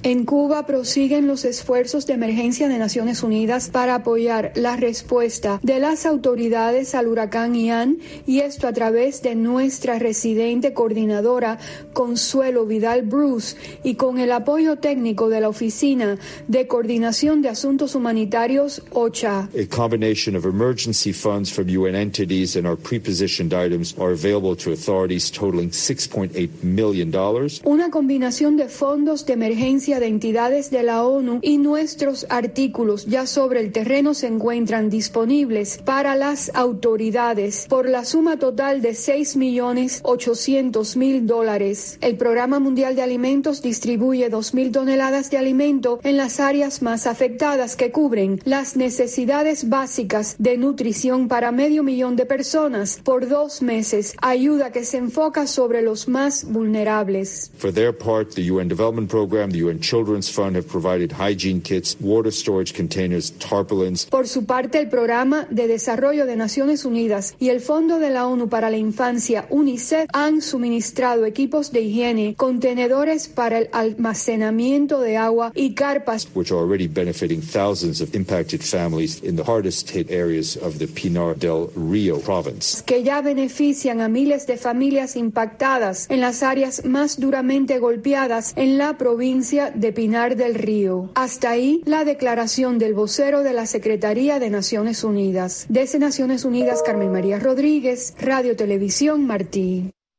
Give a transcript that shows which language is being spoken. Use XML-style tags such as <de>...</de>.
<es>En Cuba prosiguen los esfuerzos de emergencia de Naciones Unidas para apoyar la respuesta de las autoridades al huracán Ian, y esto a través de nuestra residente coordinadora Consuelo Vidal Bruce y con el apoyo técnico de la Oficina de Coordinación de Asuntos Humanitarios, OCHA.</es> <en>A combination of emergency funds from UN entities and our pre-positioned items are available to authorities totaling $6.8 million.</en> <es>Una combinación de fondos de emergencia de entidades de la ONU y nuestros artículos ya sobre el terreno se encuentran disponibles para las autoridades por la suma total de $6,800,000. El Programa Mundial de Alimentos distribuye 2,000 toneladas de alimento en las áreas más afectadas que cubren las necesidades básicas de nutrición para 500,000 de personas por 2 meses, ayuda que se enfoca sobre los más vulnerables.</es> <en>For their part, the UN Development Program, the UN Children's Fund have provided hygiene kits, water storage containers, tarpaulins.</en> <es>Por su parte, el Programa de Desarrollo de Naciones Unidas y el Fondo de la ONU para la Infancia, UNICEF, han suministrado equipos de higiene, contenedores para el almacenamiento de agua y carpas,</es> <en>which are already benefiting thousands of impacted families in the hardest hit areas of the Pinar del Río province,</en> <es>que ya benefician a miles de familias impactadas en las áreas más duramente golpeadas en la provincia de Pinar del Río. Hasta ahí la declaración del vocero de la Secretaría de Naciones Unidas. Desde Naciones Unidas, Carmen María Rodríguez, Radio Televisión Martí.</es>